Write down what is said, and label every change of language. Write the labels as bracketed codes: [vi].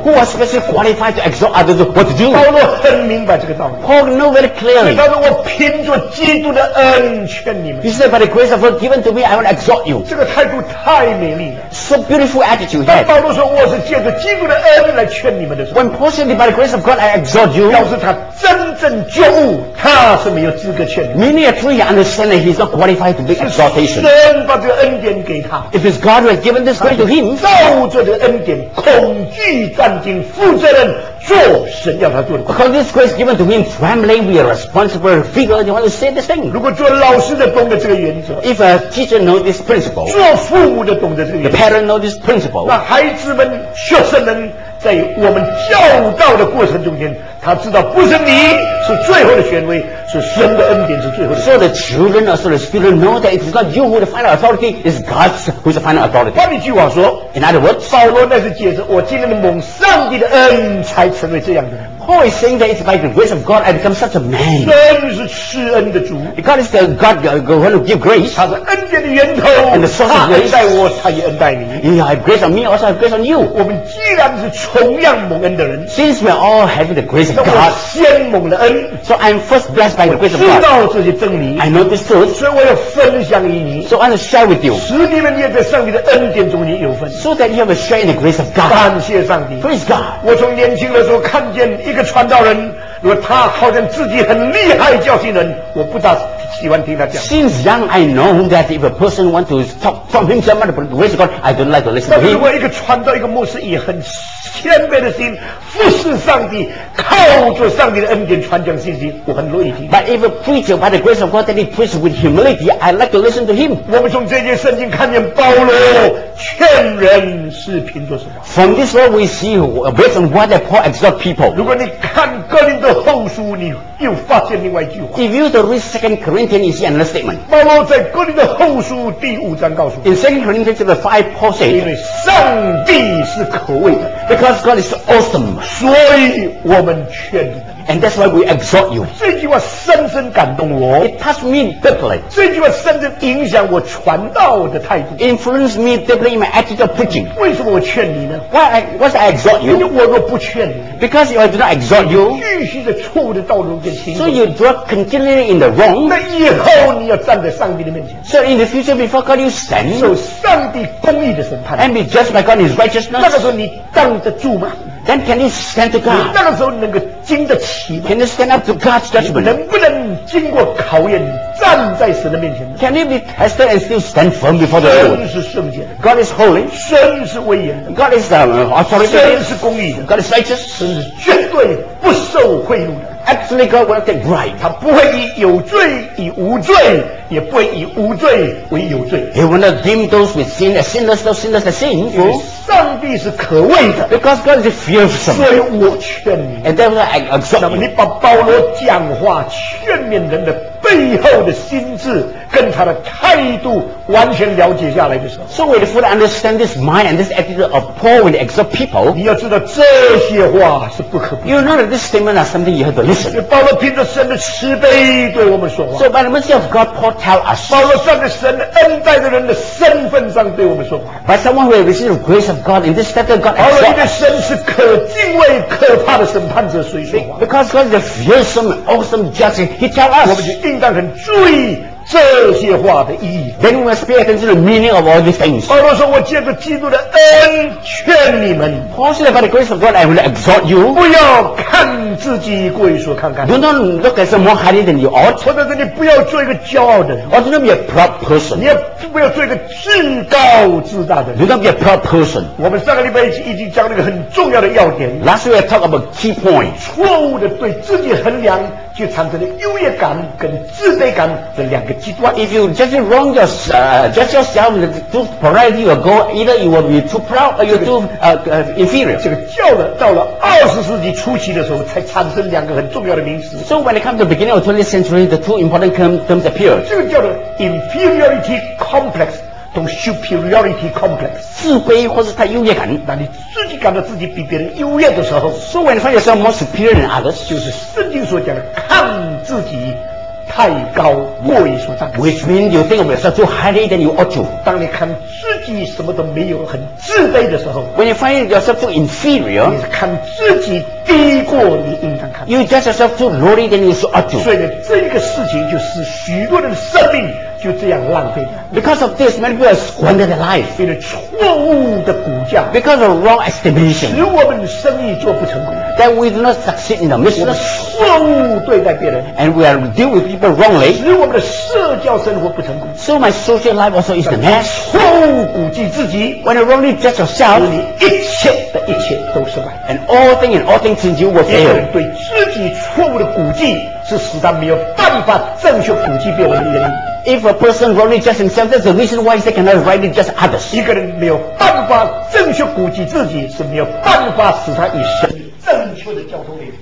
[en] ？Who are specially qualified to exhort others what to do？ [zh] 保罗很明白这个道理。 [en] Paul knew very clearly. [zh] 他说：“我凭着基督的恩劝你们。” [en] He said, "By the grace of God given to me, I will exhort you." [zh] 这个态度太美丽了。 [en] So beautiful attitude. [zh] 但保罗说：“我是借着基督的恩来劝你们的。” [en] When Paul said, "By the grace of God, I exhort you." [zh] 表示他真正觉悟，他是没有资格劝你们。 [en] Many a truly understand that he's not qualified to be exhortation. [zh] 神把这个恩典给他。 [en] If it's God has given this grace to him. [zh] 照着这恩典，恐惧战兢，负责任做神要他做的。 [en] Because this grace given to him, trembling, we are responsible figure. You want to say this thing? [zh] 如果做老师的懂得这个原则 [en] ，If a teacher knows this principle, [zh] 做父母的懂得这个原则 [en] ，The parent knows this principle. [zh] 那孩子们、学生们，在我们教导的过程中间。他知道不是你是最后的权威，是神的恩典是最后的。 [en] So the children or so the students know that it is not you who the final authority, it's God who is the final authority. [zh] 换一句话说 [en] ，In other words, [zh] 保罗那是解释我今天的蒙上帝的恩才成为这样的人。 [en] Paul is saying that it's by the grace of God I become such a man. [zh] 神是施恩的主。 [en] God is the God the one who gives grace. [zh] 他是恩典的源头。 [en] And the source of grace. [zh] 他恩待我，他也恩待你。 [en] He has grace on me, also has grace on you. [zh] 我们既然是同样蒙恩的人 [en] ，Since we are all having the grace of God, [zh] 那我先蒙了恩。 [en] So I'm first blessed by the grace of God. [zh] 我知道这些真理。 [en] I know this truth. [zh] 所以我要分享与你。 [en] So I want to share with you. [zh] 使你们也在上帝的恩典中你有份。 [en] So that you have a share in the grace of God. [zh] 感谢上帝。 [en] Praise God. [zh] 我从年轻的时候看见一个传道人，如果他好像自己很厉害教训人，我不大喜欢听他讲。 [en] Since young, I know that if a person want to talk from himself about the grace of God, I don't like to listen to him. [zh] 但如果一个传道，一个牧师也很谦卑的心服侍上帝，靠着上帝的恩典传讲信息，我很乐意听。 [en] But if a preacher by the grace of God that he preaches with humility, I like to listen to him. [zh] 我们从这些圣经看见保罗劝人是凭着什么？ [en] From this law we see based on what that Paul exhorts people. [zh] 如果你看哥林多后书，你又发现另外一句话。 [en] If you read Second Corinthians, you see another statement. [zh] 保罗在哥林多后书第五章告诉你。 [en] In Second Corinthians chapter five, Paul says, [zh] 因为上帝是可畏的。 [en] Because God is awesome, [zh] 所以我们劝你。 [en] And that's why we exhort you. [zh] 这句话深深感动我。 [en] It touched me deeply. [zh] 这句话深深影响我传道的态度。 [en] Influenced me deeply in my attitude of preaching. [zh] 为什么我劝你呢？ [en] Why I exhort you? [zh] 因为我若不劝你。 [en] Because if I do not exhort you, [zh] 继续在错误的道路中行。 [en] So you dwell continually in the wrong. [zh] 那以后你要站在上帝的面前。 [en] So in the future, before God, you stand. [zh] So 上帝公义的审判。 [en] And be judged by God in His righteousness. [zh] 那个时候你当得住吗？ [en] Then can you stand to God? [zh] 你那个时候能够经得起吗？ [en] Can you stand up to God's judgment? [zh] 能不能经过考验站在神的面前呢？ [en] Can you be tested and still stand firm before the Lord? [zh] 神是圣洁的。 [en] God is holy. [zh] 神是威严的。 [en] God is authority. [zh] 神是公义的。 [en] God is righteous. [zh] 神是绝对不受贿赂的。 [en] Absolutely, God will not take bribe. [zh] 他不会以有罪以无罪，也不会以无罪为有罪。 [en] He will not deem those with sin as sinless, those sinless as sin. [zh] 因为上帝是可畏的。 [en] Because God is fearsome. [zh] 所以我劝你。 [en] And then I exhort you. [zh] 你把保罗讲话劝勉人的背后的心智跟他的态度完全了解下来的时候。 [en] So we have to understand this mind and this attitude of Paul when he exhorts people. [zh] 你要知道这些话是不可不。 [en] You know that this statement is something you have to listen. [zh] 保罗凭着神的慈悲对我们说话。 [en] So by the mercy of God, Paul tell us. [zh] 保罗站在神恩待的人的身份上对我们说话。 [en] By someone who has received the grace of God, in this statement, God exhorts. [zh] 保罗因为神是可敬畏可怕的审判者所以说话。 [en] Because God is a fearsome, awesome judge, he tell us. [zh] 我们就应当很注意这些话的意义。 [en] Then we must pay attention to the meaning of all these things. [zh] 保罗说：“我借着基督的恩劝你们。” [en] Paul said, "By the grace of God, I will exhort you." [zh] 不要看自己过于说看看。 [en] Do not look at someone more highly than you ought. [zh] 或者是你不要做一个骄傲的人。 [en] Or do not be a proud person. [zh] 你也不要做一个自高自大的人。 [en] Do not be a proud person. [zh] 我们上个礼拜已经讲了一个很重要的要点。 [en] Last week I talked about key point. [zh] 错误的对自己衡量。就产生了优越感跟自卑感这两个极端。 [en] If you judge wrong yourself, too proud, you will go either you will be too proud or you too inferior. [zh] 这个教了到了二十世纪初期的时候，才产生两个很重要的名词。 [en] So when it comes to the beginning of 20th century, the two important terms appear. [zh] 这个叫做 inferiority complex 和 superiority complex。自卑或是太优越感，那你自己感到自己比别人优越的时候 [en] ，So when you find yourself more superior than others， [zh] 就是圣经所讲的看自己太高过于所当。 [en] Which means you think of yourself too highly than you ought to。 [zh] 当你看自己什么都没有，很自卑的时候 [en] ，When you find yourself too inferior， [zh] 你是看自己低过你应当看。 [en] You judge yourself too lowly than you ought to。 [zh] 所以呢，这个事情就是许多人的生命。就这样浪费了。 [en] Because of this, many people squander their life. [zh] 因为错误的估价。 [en] Because of wrong estimation. [zh] 使我们生意做不成功。 [en] That we do not succeed in the business. [zh] 错误对待别人。 [en] And we are deal with people wrongly. [zh] 使我们的社交生活不成功。 [en] So my social life also is a mess. [zh] 错误估计自己。 [en] When you wrongly judge yourself, [zh] 你一切的一切都失败。 [en] And all things and all things in you will fail. [zh] 别人对自己错误的估计是使他没有办法正确估计别人的原因。 [en] If a person wrongly judges himself, that's the reason why they cannot rightly judge others. [zh] 一个人没有办法正确估计自己，是没有办法使他与神正确的交通的。